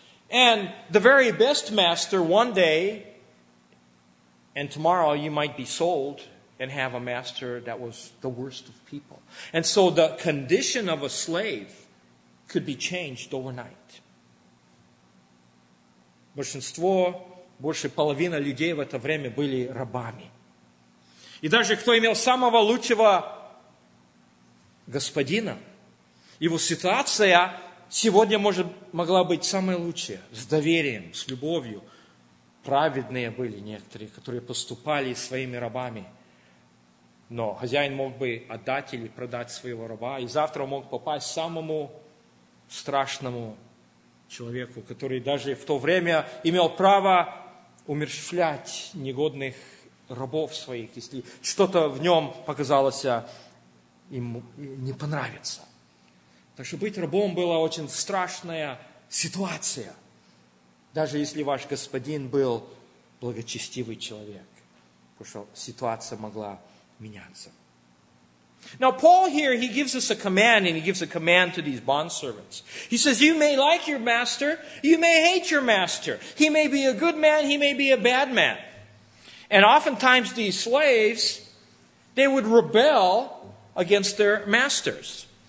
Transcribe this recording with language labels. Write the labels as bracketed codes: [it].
[en] And the very best master one day and tomorrow you might be sold and have a master that was the worst of people. And so the condition of a slave could be changed overnight. [ru] Большинство, больше половины людей в это время были рабами. И даже кто имел самого лучшего господина, его ситуация сегодня может, могла быть самой лучшей, с доверием, с любовью. Праведные были некоторые, которые поступали своими рабами. Но хозяин мог бы отдать или продать своего раба, и завтра мог попасть самому страшному человеку, который даже в то время имел право умерщвлять негодных рабов своих, если что-то в нем показалось ему не понравится. Так что быть рабом была очень страшная ситуация, даже если ваш господин был благочестивый человек, потому что ситуация могла меняться. [en] Now Paul here, he gives us a command, and he gives a command to these bondservants. He says, you may like your master, you may hate your master. He may be a good man, he may be a bad man. And oftentimes these slaves, they would rebel against their masters.